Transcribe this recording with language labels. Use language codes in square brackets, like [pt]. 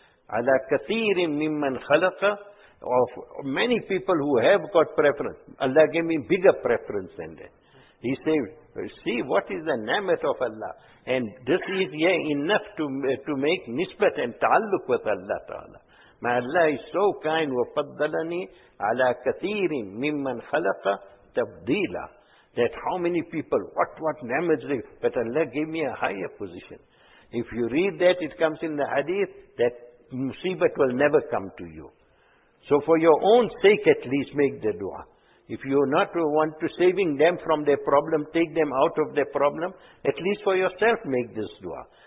[ar] على كثير ممن خلق [en] of many people who have got preference. Allah gave me bigger preference than that. He said, see what is the namat of Allah. And this is enough to make nisbat and ta'alluq with Allah Ta'ala. Ma Allah is so kind, [ar] وَفَضَّلَنِي عَلَىٰ كَثِيرٍ مِمَّنْ خَلَقَ تَبْدِيلًا. [en] That how many people, what namat they, but Allah gave me a higher position. If you read that, it comes in the hadith, that musibat will never come to you. So for your own sake, at least make the dua. If you not want to saving them from their problem, take them out of their problem, at least for yourself make this dua.